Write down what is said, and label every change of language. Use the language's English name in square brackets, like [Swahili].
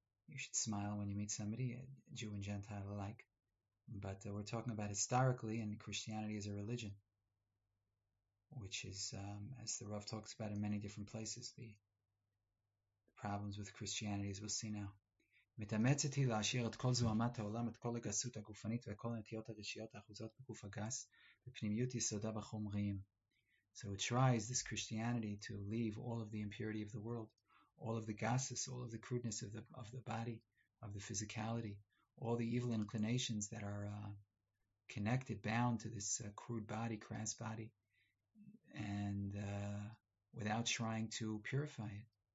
[English] You should smile when you meet somebody, Jew and Gentile alike. But we're talking about historically, and Christianity is a religion, which is, as the Rav talks about in many different places, the problems with Christianity, as we'll see now. [Hebrew] מתאמצתי להשאיר את כל זוהמת העולם, את כל הגסות הגופנית וכל הנטיות הרשיות האחוזות בגוף הגס, בפנימיות יסודה בחומריים. [English] So it tries, this Christianity, to leave all of the impurity of the world, all of the gases, all of the crudeness of the body, of the physicality, all the evil inclinations that are connected, bound to this crude body, crass body, and without trying to purify it.